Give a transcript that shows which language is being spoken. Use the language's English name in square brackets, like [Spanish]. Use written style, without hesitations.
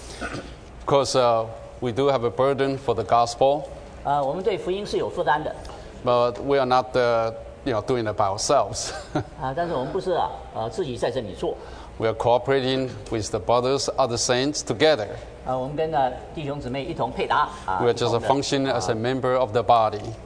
[English] Of course, we do have a burden for the gospel. But we are not doing it by ourselves. [Chinese] 但是我们不是自己在这里做。 [English] We are cooperating with the brothers, other saints together. We are just functioning as a member of the body.